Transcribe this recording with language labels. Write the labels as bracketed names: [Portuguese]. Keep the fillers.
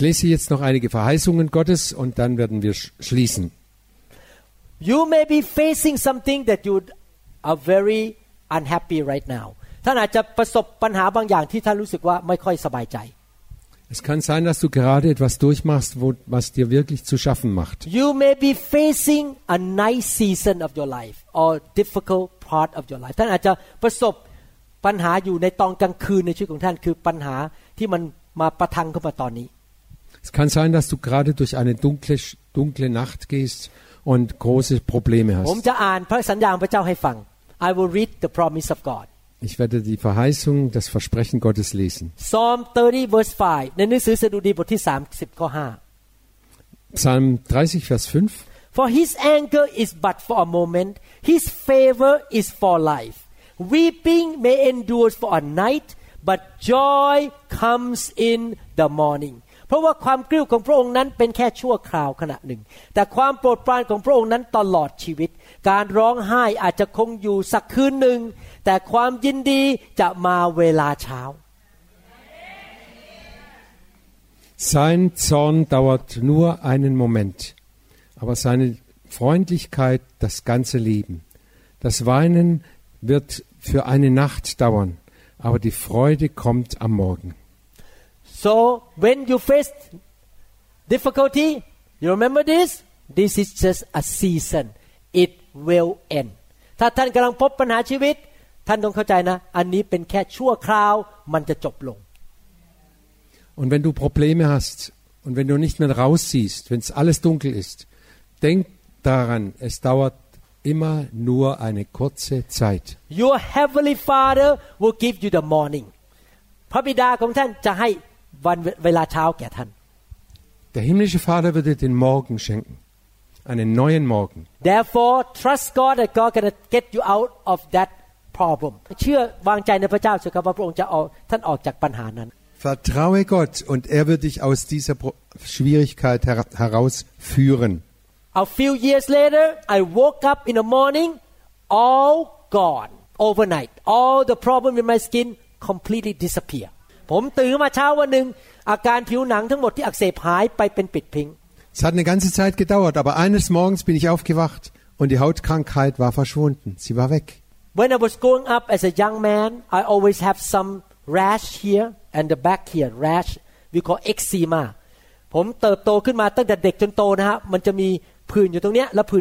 [German] lese jetzt noch einige Verheißungen Gottes und dann werden wir schließen. [English] You may be facing something that you are very unhappy right now. [Thai] ท่านอาจจะประสบปัญหาบางอย่างที่ท่านรู้สึกว่าไม่ค่อยสบายใจ [German] Es kann sein, dass du gerade etwas durchmachst, was dir wirklich zu schaffen macht. [English] You may be facing a nice season of your life or difficult part of your life. [Thai] ท่านอาจจะประสบปัญหาอยู่ในตอนกลางคืนในชีวิตของท่านคือปัญหาที่มันมาประทังเข้ามาตอนนี้ [German] Es kann sein, dass du gerade durch eine dunkle dunkle Nacht gehst und große Probleme hast. [Thai] ผม จะอ่านพระสัญญาของพระเจ้าให้ฟัง [English] I will read the promise of God. [German] Ich werde die Verheißung, das Versprechen Gottes lesen. Psalm 30, Vers e 5. [Thai] ในหนังสือสดุดีบทที่30ข้อ [German] 5 Psalm 30, Vers 5. [English] For his anger is but for a moment, his favor is for life. weeping may endure for a night but joy comes in the morning [Thai] เพราะว่าความกริ้วของพระองค์นั้นเป็นแค่ชั่วคราวขณะหนึ่ง แต่ความโปรดปรานของพระองค์นั้นตลอดชีวิต การร้องไห้อาจจะคงอยู่สักคืนหนึ่ง แต่ความยินดีจะมาเวลาเช้า [German] Sein Zorn dauert nur einen Moment, aber seine Freundlichkeit das ganze Leben. Das Weinen wird für eine Nacht dauern, aber die Freude kommt am Morgen. [English] So, when you face difficulty, you remember this? This is just a season. It will end. [Thai] ถ้าท่านกำลังพบปัญหาชีวิตท่านต้องเข้าใจนะอันนี้เป็นแค่ชั่วคราวมันจะจบลง [German] Und wenn du Probleme hast und wenn du nicht mehr raus siehst, wenn es alles dunkel ist, denk daran, es dauert immer nur eine kurze Zeit. [English] Your heavenly Father will give you the morning. [Thai] พระบิดาของท่านจะให้วันเวลาเช้าแก่ท่าน [German] Der himmlische Vater wird dir den Morgen schenken, einen neuen Morgen. [English] Therefore, trust God that God gonna get you out of that problem. [Thai] เชื่อวางใจในพระเจ้าสิครับว่าพระองค์จะเอาท่านออกจากปัญหานั้น [German] Vertraue Gott und er wird dich aus dieser Schwierigkeit herausführen. Heraus [English] A few years later, I woke up in the morning, all gone overnight. All the problem with my skin completely disappeared. [Thai] ผมตื่นมาเช้าวันหนึ่งอาการผิวหนังทั้งหมดที่อักเสบหายไปเป็นปิดพิง [German] Es hat eine ganze Zeit gedauert, aber eines Morgens bin ich aufgewacht und die Hautkrankheit war verschwunden. Sie war weg. [English] When I was growing up as a young man, I always have some rash here and the back here. Rash, we call eczema. [Thai] ผมเติบโตขึ้นมาตั้งแต่เด็กจนโตนะฮะมันจะมี